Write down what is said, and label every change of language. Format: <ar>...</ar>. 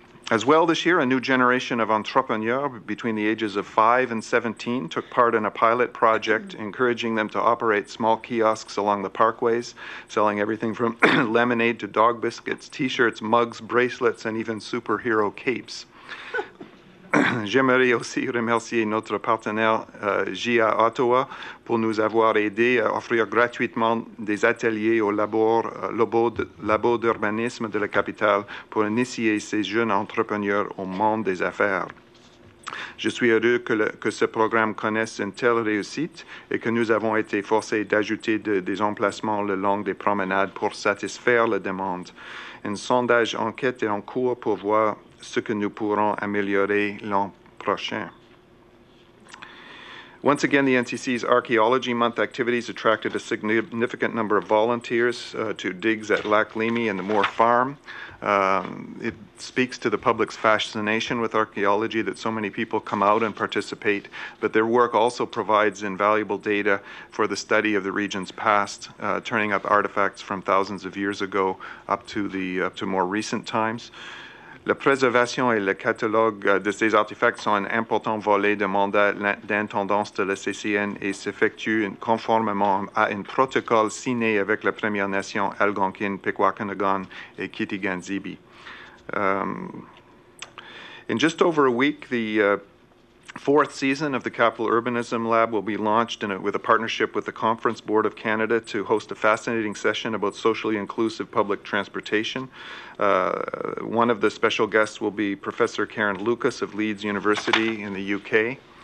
<en>As well this year, a new generation of entrepreneurs between the ages of 5 and 17 took part in a pilot project encouraging them to operate small kiosks along the parkways, selling everything from lemonade to dog biscuits, t-shirts, mugs, bracelets, and even superhero capes.</en> <fr>J'aimerais aussi remercier notre partenaire GIA Ottawa pour nous avoir aidés à offrir gratuitement des ateliers au labo d'urbanisme de la capitale pour initier ces jeunes entrepreneurs au monde des affaires. Je suis heureux que ce programme connaisse une telle réussite et que nous avons été forcés d'ajouter des emplacements le long des promenades pour satisfaire la demande. Un sondage enquête est en cours pour voir ce que nous pourrons améliorer l'an prochain.</fr> <en>Once again, the NCC's Archaeology Month activities attracted a significant number of volunteers to digs at Lac Leamy and the Moore Farm. It speaks to the public's fascination with archaeology that so many people come out and participate, but their work also provides invaluable data for the study of the region's past, turning up artifacts from thousands of years ago up to more recent times.</en> <fr>La préservation et le catalogue de ces artefacts sont un important volet de mandat d'intendance de la CCN et s'effectuent conformément à un protocole signé avec la Première Nation Algonquin, Pequawkinagan et Kitiganzibi.</fr> <en>In just over a week, the fourth season of the Capital Urbanism Lab will be launched with a partnership with the Conference Board of Canada to host a fascinating session about socially inclusive public transportation. One of the special guests will be Professor Karen Lucas of Leeds University in the UK.</en>